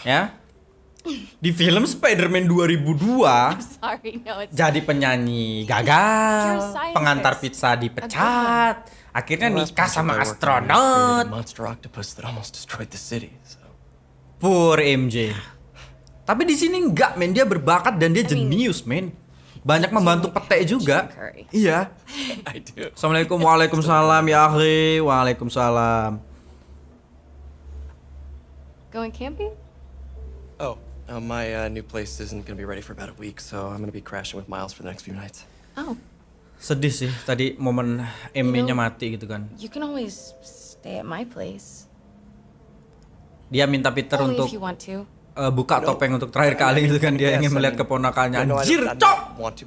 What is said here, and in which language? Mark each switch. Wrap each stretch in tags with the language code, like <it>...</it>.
<id>Ya?</id> <en>Yeah?</en> <id>Di film Spider-Man 2002,</id> <en>sorry, no, it's...</en> <id>jadi penyanyi gagal, pengantar pizza dipecat, akhirnya nikah sama astronot.</id> <en>Monster octopus that almost destroyed the city. Poor MJ.</en> <id>Tapi di sini enggak, men. Dia berbakat dan dia jenius, men. Banyak membantu petek juga. Iya.</id> <en>I do.</en> <id>Assalamualaikum, waalaikumsalam ya akhi. Waalaikumsalam.</id> <en>Going camping? Oh, my new place isn't going to be ready for about a week, so I'm going to be crashing with Miles for the next few nights. Oh.</en> <id>Sedih sih tadi momen MJ-nya mati gitu kan.</id> <en>You can always stay at my place.</en> <id>Dia minta Peter untuk buka topeng untuk terakhir kali gitu kan, dia ingin melihat keponakannya. Anjir, Cok!</id>